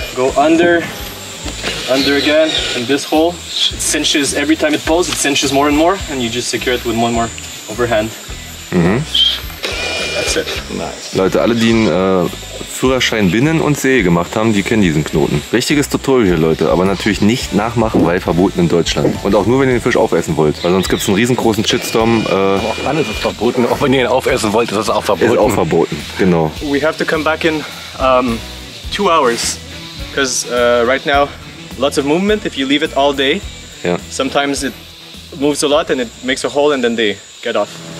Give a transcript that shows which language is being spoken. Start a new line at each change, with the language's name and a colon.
English: Go under again, and this hole it cinches every time it pulls. It cinches more and more, and you just secure it with one more overhand. That's it. Nice.
German: Leute, alle die einen Führerschein Binnen und See gemacht haben, die kennen diesen Knoten. Richtiges Tutorial hier, Leute, aber natürlich nicht nachmachen, weil verboten in Deutschland. Und auch nur, wenn ihr den Fisch aufessen wollt, weil sonst gibt es einen riesengroßen Shitstorm. Auch dann ist es verboten, auch wenn ihr ihn aufessen wollt, ist es auch verboten. Ist auch verboten, genau.
English: We have to come back in 2 hours, because right now lots of movement if you leave it all day. Yeah. Sometimes it moves a lot and it makes a hole and then they get off.